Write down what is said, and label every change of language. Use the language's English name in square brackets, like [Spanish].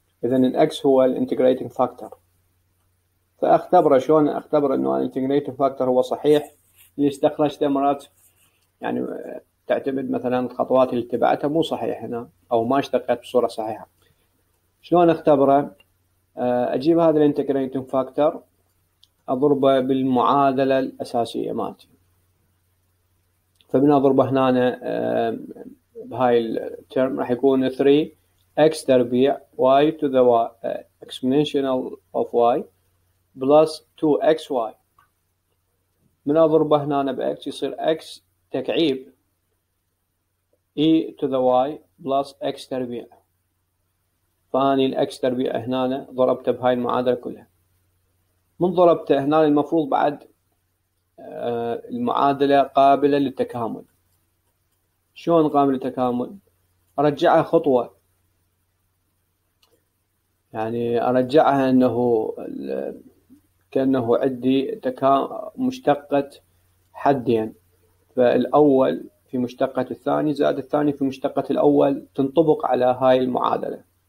[Arabic] اذا ال x هو الانتجريتنج فاكتور. فاختبره شلون؟ اختبره انه الانتجريتنج فاكتور هو صحيح، اللي استخرجت مرات يعني تعتمد مثلا الخطوات اللي اتبعتها مو صحيح هنا، او ما اشتقت بصورة صحيحة. شلون اختبره؟ اجيب هذا الانتجريتنج فاكتور اضربه بالمعادلة الاساسية مالتي. فبنضربه هنا بهاي الترم راح يكون 3 [English] x تربيع y to the y exponential of y plus 2xy. [Arabic] من أضربه هنا بx يصير x تكعيب e to the y plus x تربيع. فاني الx تربيع هنا ضربته بهاي المعادلة كلها. من ضربته هنا المفروض بعد المعادلة قابلة للتكامل. شلون قابلة للتكامل؟ أرجعها خطوة، يعني أرجعها أنه كأنه عندي مشتقة حدين، فالأول في مشتقة الثاني زائد الثاني في مشتقة الأول تنطبق على هاي المعادلة.